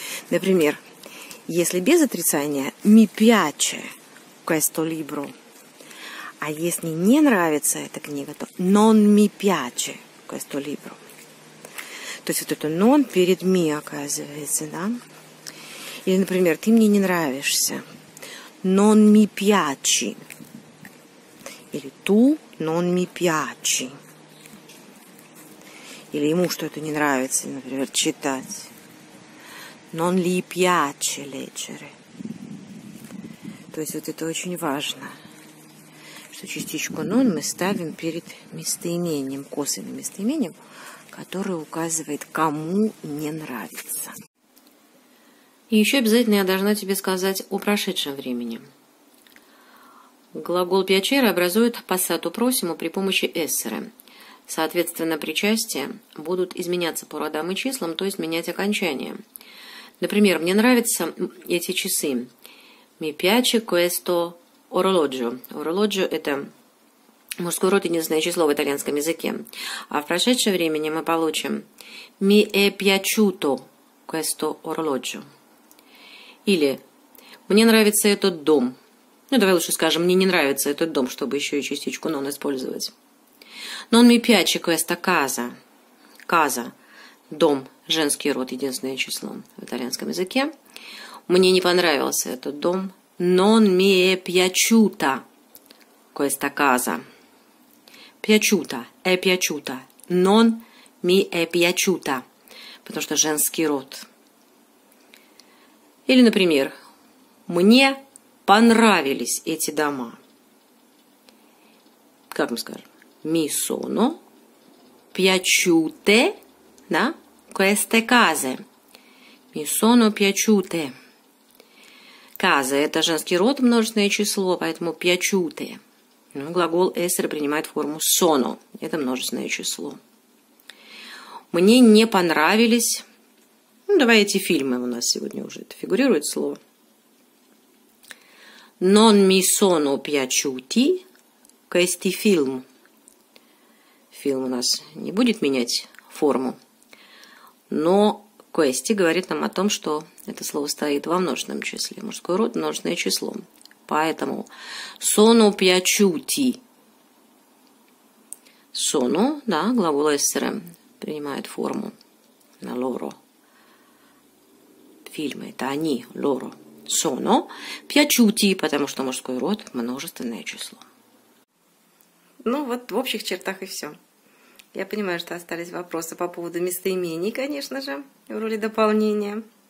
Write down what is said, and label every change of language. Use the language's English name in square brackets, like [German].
[Russian] Например, если без отрицания [Italian] «mi piace questo libro», [Russian] а если не нравится эта книга, то [Italian] «non mi piace questo libro». [Russian] То есть вот это «non» перед «mi», оказывается, да? Или, например, «ты мне не нравишься». [Italian] «Non mi piace». Или «tu non mi piace». [Russian] Или ему что-то не нравится, например, читать. [Italian] «Non gli piace leggere». [Russian] То есть вот это очень важно, что частичку «non» мы ставим перед местоимением, косвенным местоимением, который указывает, кому не нравится. И еще обязательно я должна тебе сказать о прошедшем времени. Глагол «piacere» образует [Italian] passato prossimo [Russian] при помощи «essere». Соответственно, причастия будут изменяться по родам и числам, то есть менять окончание. Например, мне нравятся эти часы. [Italian] «Mi piace questo orologio». [Russian] «Orologio» – это мужской род, единственное число в итальянском языке. А в прошедшее время мы получим [Italian] «Mi è piaciuto questo orologio». [Russian] Или «Мне нравится этот дом». Ну, давай лучше скажем «Мне не нравится этот дом», чтобы еще и частичку «non» использовать. [Italian] «Non mi piace questa casa». [Russian] «Casa» – дом, женский род, единственное число в итальянском языке. «Мне не понравился этот дом». [Italian] «Non mi è piaciuta questa casa». Piaciuta, è piaciuta, non mi è piaciuta, [Russian] потому что женский род. Или, например, мне понравились эти дома. Как мы скажем? [Italian] Mi sono piaciute, [Russian] да, [Italian] queste case. Mi sono piaciute. [Russian] Case – это женский род, множественное число, поэтому piaciute. Ну, глагол essere принимает форму sono. Это множественное число. Мне не понравились... Ну, давай эти фильмы у нас сегодня уже. Это фигурирует слово. [Italian] Non mi sono piaciuti questi film. [Russian] Фильм у нас не будет менять форму. Но questi говорит нам о том, что это слово стоит во множественном числе. Мужской род – множественное число. Поэтому [Italian] sono piaciuti. [Russian] Sono, да, глагол essere, принимает форму на loro. Фильмы – это они, loro. [Italian] Sono piaciuti, [Russian] потому что мужской род – множественное число. Ну вот в общих чертах и все. Я понимаю, что остались вопросы по поводу местоимений, конечно же, в роли дополнения.